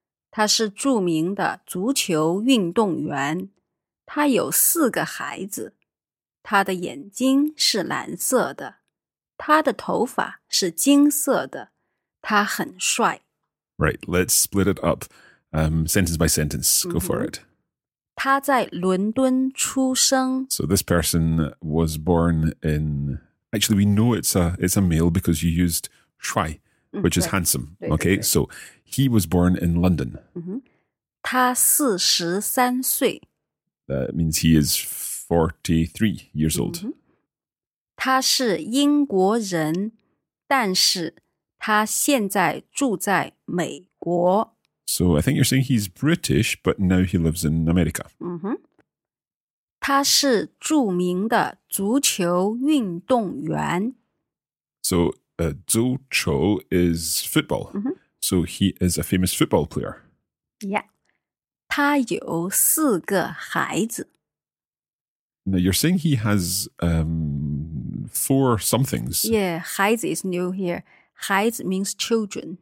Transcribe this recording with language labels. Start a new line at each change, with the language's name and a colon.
Chinese: 他是著名的足球运动员。他有四个孩子，他的眼睛是蓝色的，他的头发是金色的，他很帅。
English: Right, let's split it up, sentence by sentence. Go for it.
Chinese: 他在伦敦出生。
English: So this person was born in. Actually, we know it's a male because you used 帅, which is handsome. Okay, so he was born in London.
Chinese: 他43岁。
English: That means he is 43 years old.
Chinese: 他是英国人，但是他现在住在美国。
English: So I think you're saying he's British, but now he lives in America.
Chinese: 他是著名的足球运动员。
English: So 足球 is football. So he is a famous football player.
Chinese: Yeah. 他有四个孩子。
English: Now you're saying he has four somethings. Yeah, 孩子 is new here. 孩子 means children.